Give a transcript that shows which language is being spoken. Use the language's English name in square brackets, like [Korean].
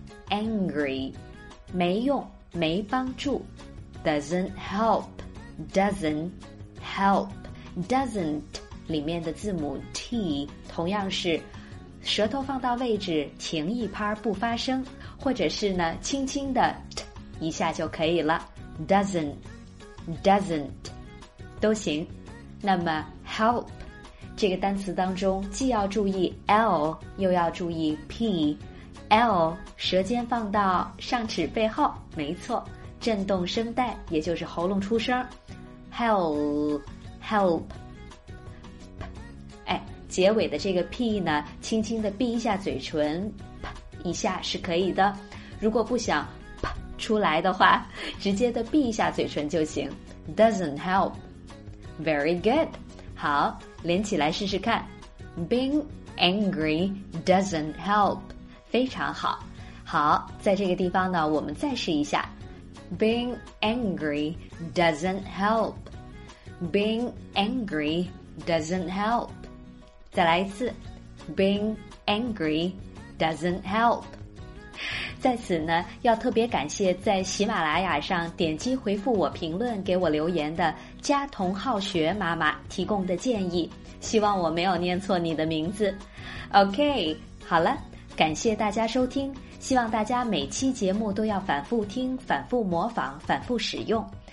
[Chinese] Angry, 没用，没帮助。 [English] Doesn't help, doesn't help. Doesn't [Chinese] 里面的字母 T 同样是舌头放到位置停一拍不发声，或者是呢轻轻的 T 一下就可以了。 [English] Doesn't, doesn't [Chinese] 都行。那么 help 这个单词当中，既要注意 L 又要注意 P。 L 舌尖放到上齿背后，没错，震动声带，也就是喉咙出声。 [English] Help, help。 [Chinese] 哎，结尾的这个 P 呢，轻轻的闭一下嘴唇，啪一下是可以的。如果不想啪出来的话，直接的闭一下嘴唇就行。 [English] Doesn't help. Very good. [Chinese] 好，连起来试试看。 [English] Being angry doesn't help. [Chinese] 非常好，好，在这个地方呢，我们再试一下。 [English] Being angry doesn't help. Being angry doesn't help. [Chinese] 再来一次。 [English] Being angry doesn't help. [Chinese] 在此呢，要特别感谢在喜马拉雅上点击回复我评论给我留言的加同好学妈妈提供的建议，希望我没有念错你的名字。 OK, 好了。感谢大家收听，希望大家每期节目都要反复听、反复模仿、反复使用。